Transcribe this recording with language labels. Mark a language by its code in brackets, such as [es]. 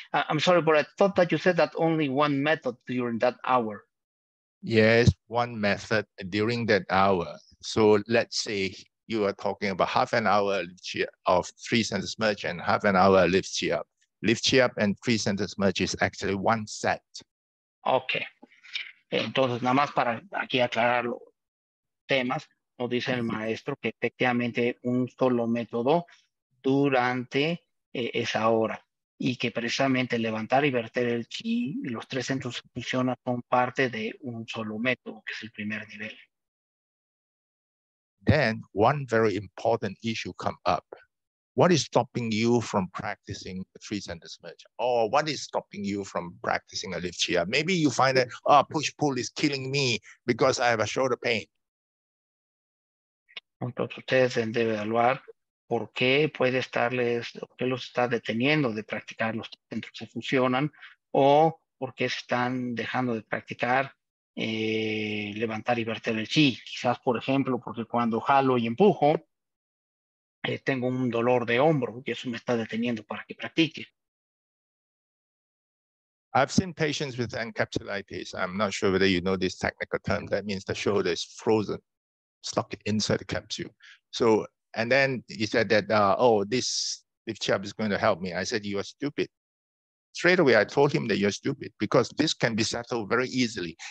[en] I'm sorry, but I thought that you said that only one method during that hour. Yes, one method during that hour. So let's say you are talking about half an hour of three centers merge and half an hour lift chi up. Lift chi up and three centers merge is actually one set. Okay. [es] Entonces, nada más para aquí aclarar los temas, nos dice el maestro que efectivamente un solo método durante esa hora y que precisamente levantar y verter el chi, los tres centros funcionan son parte de un solo método, que es el primer nivel. [en] Then one very important issue come up. What is stopping you from practicing the three centers merge? Or what is stopping you from practicing a lift chair? Maybe you find that push pull is killing me because I have a shoulder pain. [es] Entonces ustedes deben de evaluar por qué puede estarles, qué los está deteniendo de practicar los centros que funcionan, o por qué están dejando de practicar. Levantar y verter el chi, quizás por ejemplo porque cuando jalo y empujo tengo un dolor de hombro y eso me está deteniendo para que practique. [en] I've seen patients with encapsulitis. I'm not sure whether you know this technical term. That means the shoulder is frozen, stuck inside the capsule. So, and then he said that this lift chi up is going to help me. I said you are stupid. straight away, I told him that you're stupid because this can be settled very easily.